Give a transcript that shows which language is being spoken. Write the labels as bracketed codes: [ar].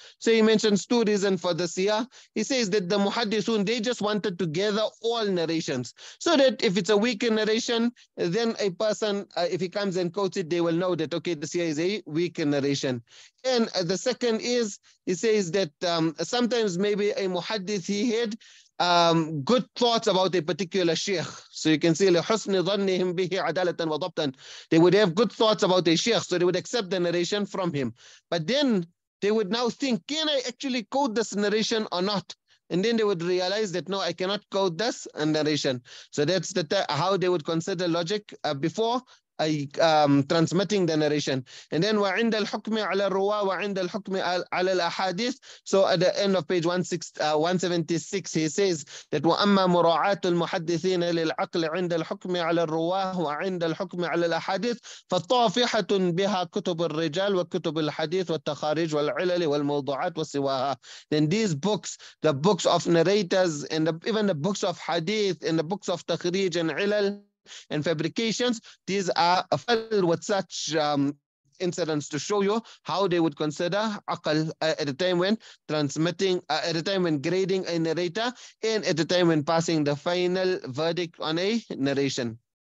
[en] So he mentions two reasons for the siyah. He says that the muhaddithun, they just wanted to gather all narrations so that if it's a weaker narration, then a person, if he comes and quotes it, they will know that, okay, the siyah is a weaker narration. And the second is, he says that sometimes maybe a muhaddith, he had good thoughts about a particular sheikh. So you can see, [ar] لحسن ظنهم به عدالة وضبطا. [en] They would have good thoughts about a sheikh, so they would accept the narration from him. But then they would now think, can I actually quote this narration or not? And then they would realize that, no, I cannot quote this narration. So that's the how they would consider logic before transmitting the narration. And then [ar] وعند الحكم على الرواة وعند الحكم على الأحاديث. [en] So at the end of page 176, he says that [ar] وأما مراعاة المحدثين للعقل عند الحكم على الرواة وعند الحكم على الأحاديث فطافحة بها كتب الرجال وكتب الحديث والتخارج والعلل والموضوعات وسواها. [en] Then these books, the books of narrators and even the books of hadith and the books of تخريج and علل and fabrications, these are filled with such incidents to show you how they would consider aqal at the time when transmitting, at the time when grading a narrator, and at the time when passing the final verdict on a narration.